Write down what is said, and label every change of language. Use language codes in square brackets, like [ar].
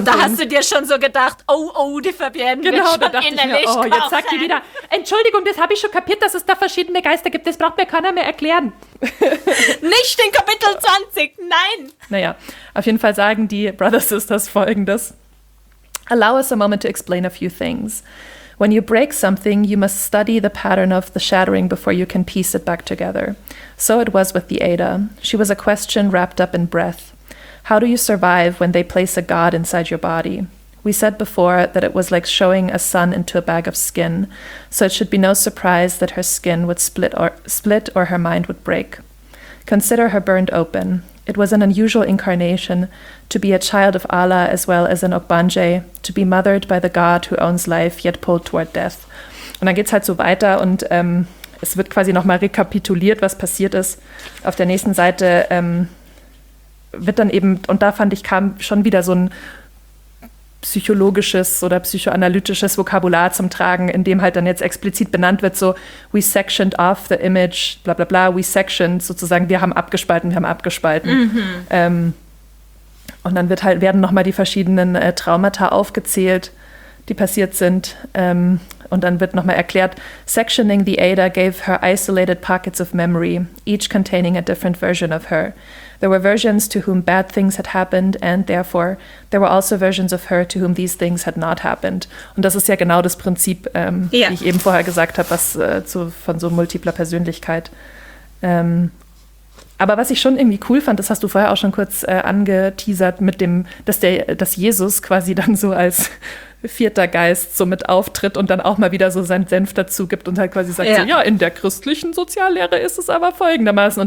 [de] Und da hast du dir schon so gedacht, oh, die Fabienne wird schon innerlich kaufen. Jetzt sagt die wieder, Entschuldigung, das habe ich schon kapiert, dass es da verschiedene Geister gibt. Das braucht mir keiner mehr erklären. Nicht in Kapitel 20, nein. Naja, auf jeden Fall sagen die Brother Sisters Folgendes. [en] Allow us a moment to explain a few things. When you break something, you must study the pattern of the shattering before you can piece it back together. So it was with the Ada. She was a question wrapped up in breath. How do you survive when they place a god inside your body? We said before that it was like showing a sun into a bag of skin, so it should be no surprise that her skin would split or her mind would break. Consider her burned open. It was an unusual incarnation, to be a child of Allah as well as an Ogbanje, to be mothered by the god who owns life yet pulled toward death. [de] Und dann geht's halt so weiter und es wird quasi nochmal rekapituliert, was passiert ist. Auf der nächsten Seite wird dann eben, und da fand ich, kam schon wieder so ein psychologisches oder psychoanalytisches Vokabular zum Tragen, in dem halt dann jetzt explizit benannt wird, [en] so we sectioned off the image, bla bla bla, we sectioned, [de] sozusagen, wir haben abgespalten. Mhm. Und dann werden nochmal die verschiedenen Traumata aufgezählt, die passiert sind. Und dann wird nochmal erklärt, [en] sectioning the Ada gave her isolated pockets of memory, each containing a different version of her. There were versions to whom bad things had happened and therefore there were also versions of her to whom these things had not happened. [de] Und das ist ja genau das Prinzip, yeah, wie ich eben vorher gesagt habe, was von so multipler Persönlichkeit. Aber was ich schon irgendwie cool fand, das hast du vorher auch schon kurz angeteasert, mit dem, dass Jesus quasi dann so als vierter Geist so mit auftritt und dann auch mal wieder so seinen Senf dazu gibt und halt quasi sagt, ja, so, ja, in der christlichen Soziallehre ist es aber folgendermaßen.